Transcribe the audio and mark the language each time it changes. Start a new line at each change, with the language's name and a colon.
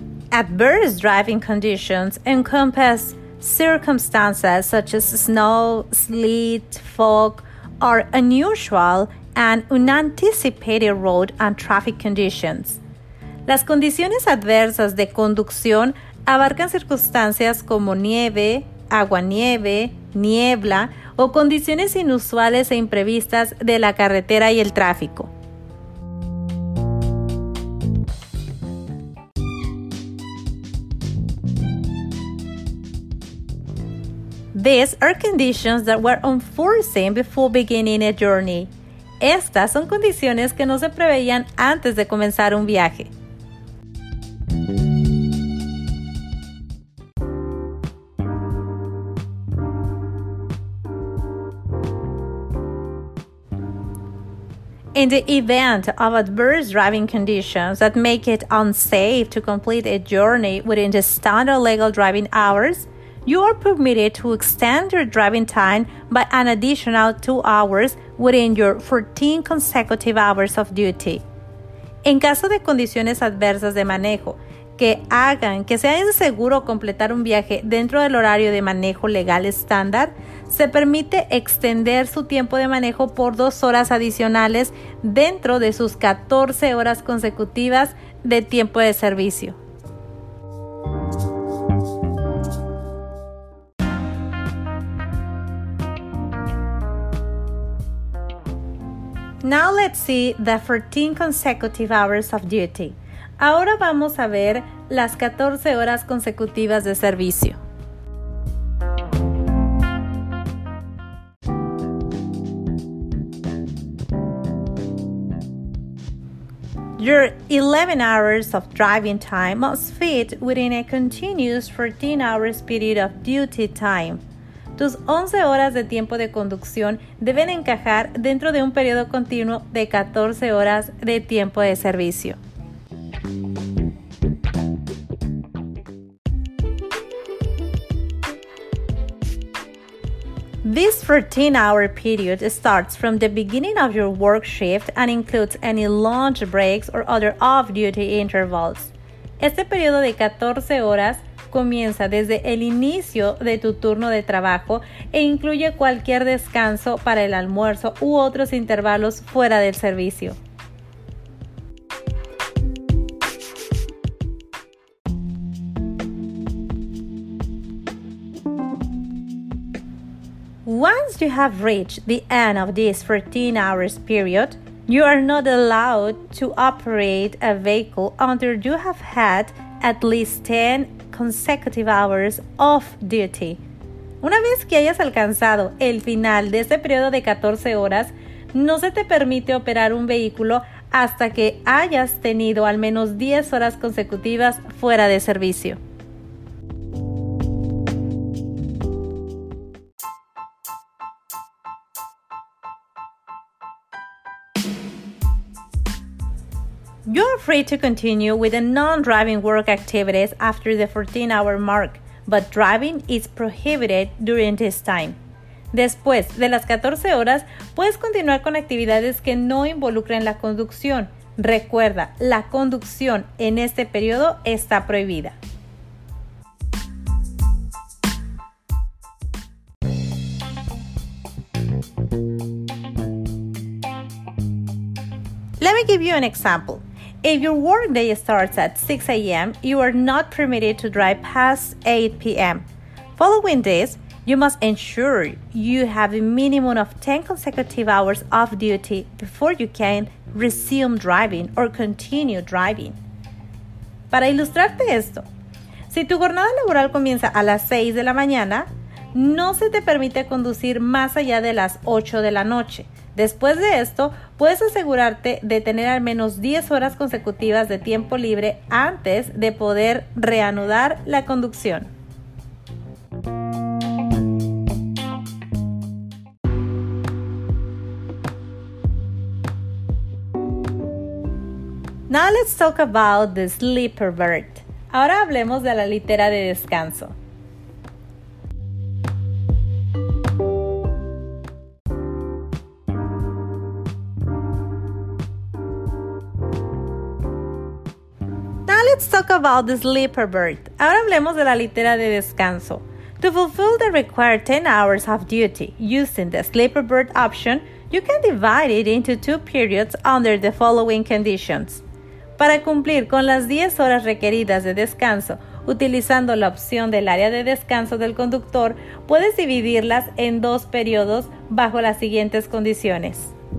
English: Adverse driving conditions encompass circumstances such as snow, sleet, fog, or unusual and unanticipated road and traffic conditions.
Spanish: Las condiciones adversas de conducción abarcan circunstancias como nieve, aguanieve, niebla, o condiciones inusuales e imprevistas de la carretera y el tráfico.
English: These are conditions that were unforeseen before beginning a journey.
Spanish: Estas son condiciones que no se preveían antes de comenzar un viaje.
English: In the event of adverse driving conditions that make it unsafe to complete a journey within the standard legal driving hours, you are permitted to extend your driving time by an additional 2 hours within your 14 consecutive hours of duty.
Spanish: En caso de condiciones adversas de manejo que hagan que sea inseguro completar un viaje dentro del horario de manejo legal estándar, se permite extender su tiempo de manejo por 2 horas adicionales dentro de sus 14 horas consecutivas de tiempo de servicio.
English: Now let's see the 14 consecutive hours of duty.
Spanish: Ahora vamos a ver las 14 horas consecutivas de servicio.
English: Your 11 hours of driving time must fit within a continuous 14 hours period of duty time.
Spanish: Tus 11 horas de tiempo de conducción deben encajar dentro de un periodo continuo de 14 horas de tiempo de servicio.
English: This 14-hour period starts from the beginning of your work shift and includes any lunch breaks or other off-duty intervals.
Spanish: Este periodo de 14 horas comienza desde el inicio de tu turno de trabajo e incluye cualquier descanso para el almuerzo u otros intervalos fuera del servicio.
English: Once you have reached the end of this 14 hours period, you are not allowed to operate a vehicle until you have had at least 10 consecutive hours off duty.
Spanish: Una vez que hayas alcanzado el final de ese periodo de 14 horas, no se te permite operar un vehículo hasta que hayas tenido al menos 10 horas consecutivas fuera de servicio.
English: You are free to continue with the non-driving work activities after the 14-hour mark, but driving is prohibited during this time.
Spanish: Después de las 14 horas, puedes continuar con actividades que no involucren la conducción. Recuerda, la conducción en este periodo está prohibida.
English: Let me give you an example. If your work day starts at 6 a.m., you are not permitted to drive past 8 p.m. Following this, you must ensure you have a minimum of 10 consecutive hours off duty before you can resume driving or continue driving.
Spanish: Para ilustrarte esto, si tu jornada laboral comienza a las 6 de la mañana, no se te permite conducir más allá de las 8 de la noche. Después de esto, puedes asegurarte de tener al menos 10 horas consecutivas de tiempo libre antes de poder reanudar la conducción.
English: Now let's talk about the sleeper berth.
Spanish: Ahora hablemos de la litera de descanso.
English: Let's talk about the sleeper berth.
Spanish: Ahora hablemos de la litera de descanso.
English: To fulfill the required 10 hours of duty using the sleeper berth option, you can divide it into two periods under the following conditions.
Spanish: Para cumplir con las 10 horas requeridas de descanso, utilizando la opción del área de descanso del conductor, puedes dividirlas en dos periodos bajo las siguientes condiciones.